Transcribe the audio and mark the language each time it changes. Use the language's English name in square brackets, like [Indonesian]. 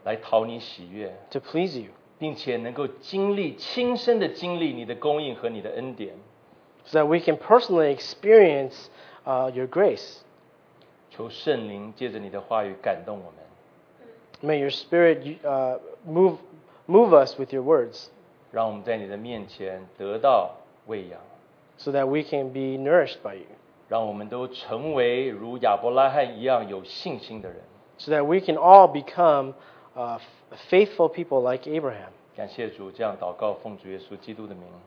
[Chinese] 来讨你喜悦。 [English] To please you. [Chinese] 并且能够经历亲身的经历你的供应和你的恩典。 [English] So that we can personally experience your grace. [Chinese] 求圣灵借着你的话语感动我们。 [English] May your spirit move us with your words. [Chinese] 让我们在你的面前得到喂养。 [English] So that we can be nourished by you. [Chinese] 让我们都成为如亚伯拉罕一样有信心的人。 [English] So that we can all become faithful people like Abraham. [Chinese] 感谢主，这样祷告，奉主耶稣基督的名。